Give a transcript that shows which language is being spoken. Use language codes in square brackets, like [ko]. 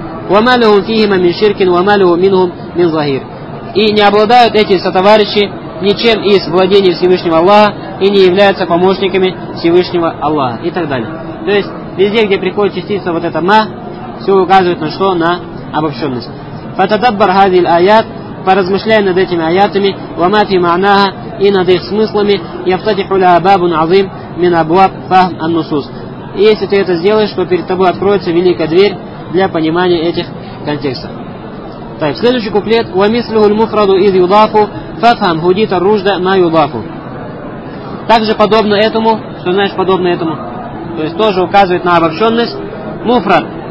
[ar] وَمَا لَهُمْ فِيهِمَا مِنْ شِرْكٍ وَمَا لَهُمْ مِنْهُمْ مِنْ ظَهِيرٍ. [ru] И не обладают эти сотоварищи ничем из владений Всевышнего Аллаха и не являются помощниками Всевышнего Аллаха и так далее. То есть везде, где приходит частица вот эта «ма», все указывает на что? На обобщенность. [ar] فَتَدَبَّرْ هَذِي الْآيَاتِ. [ru] Поразмышляя над этими аятами, [ar] وَمَا فِي مَعْنَاهَا, [ru] и над их смыслами, [ar] يَفْتَتِحُ لَهَا بَابٌ عَظِيمٌ مِنْ أَبْوَابِ فَهْمِ النُّصُوصِ. [ru] Если ты это сделаешь, то перед тобой откроется великая дверь для понимания этих контекстов. Так, следующий куплет. [ar] وَمِثْلُهُ الْمُفْرَدُ إِذْ يُضَافُ فَفْهَمْ هُدِيتَ الرُّجْدَ مَا يُضَافُ. [ru] Также подобно этому, что знаешь подобно этому, то есть тоже указывает на обобщенность. Муфрад.